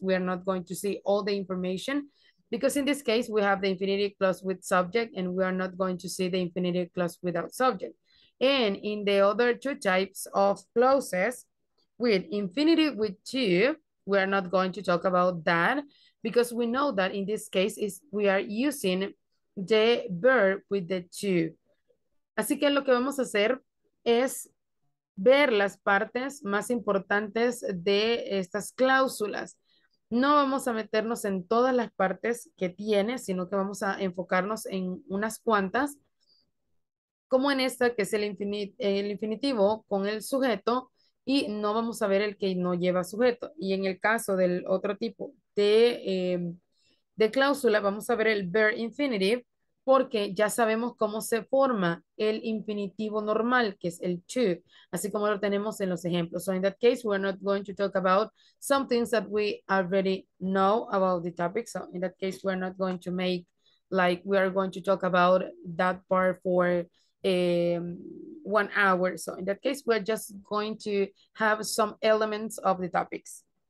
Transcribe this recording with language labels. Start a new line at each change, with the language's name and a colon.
English: We are not going to see all the information, because in this case, we have the infinitive clause with subject, and we are not going to see the infinitive clause without subject. And in the other two types of clauses, with infinitive with to, we are not going to talk about that, because we know that in this case, is we are using the verb with the to.
Spanish: Así que lo que vamos a hacer es ver las partes más importantes de estas cláusulas. No vamos a meternos en todas las partes que tiene, sino que vamos a enfocarnos en unas cuantas, como en esta que es el infinitivo con el sujeto, y no vamos a ver el que no lleva sujeto. Y en el caso del otro tipo de cláusula, vamos a ver el verb infinitive, porque ya sabemos cómo se forma el infinitivo normal, que es el to, así como lo tenemos en los ejemplos.
English: So in that case, we're not going to talk about some things that we already know about the topic. So in that case, we're not going to make, like, we are going to talk about that part for 1 hour. So in that case, we're just going to have some elements of the topics.